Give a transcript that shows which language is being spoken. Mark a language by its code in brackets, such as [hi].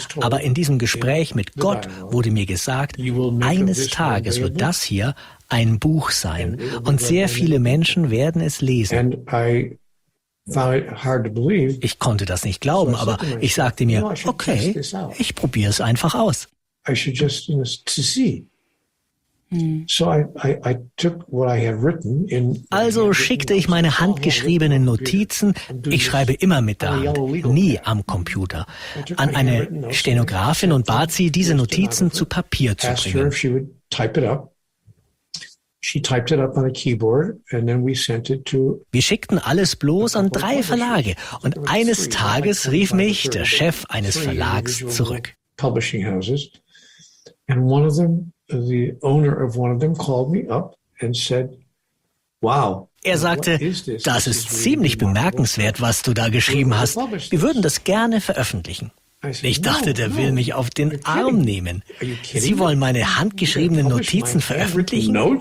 [de] Aber in diesem Gespräch mit Gott wurde mir gesagt, eines Tages wird das hier ein Buch sein, und sehr viele Menschen werden es lesen. Ich konnte das nicht glauben, aber ich sagte mir, okay, ich probiere es einfach aus. [en] I should just, you know, to see. So I took what I had written in. [de] Also schickte ich meine handgeschriebenen Notizen, ich schreibe immer mit der Hand, nie am Computer, an eine Stenografin und bat sie, diese Notizen zu Papier zu bringen. [en] Asked her if she would type it up. She typed it up on a keyboard, and then we sent it to. [de] Wir schickten alles bloß an drei Verlage, und eines Tages rief mich der Chef eines Verlags zurück. [en] Publishing houses. And one of them, the owner of one of them, called me up and said, "Wow." [de] Er sagte, das ist ziemlich bemerkenswert, was du da geschrieben hast. Wir würden das gerne veröffentlichen. Ich dachte, der will mich auf den Arm nehmen. Sie wollen meine handgeschriebenen Notizen veröffentlichen?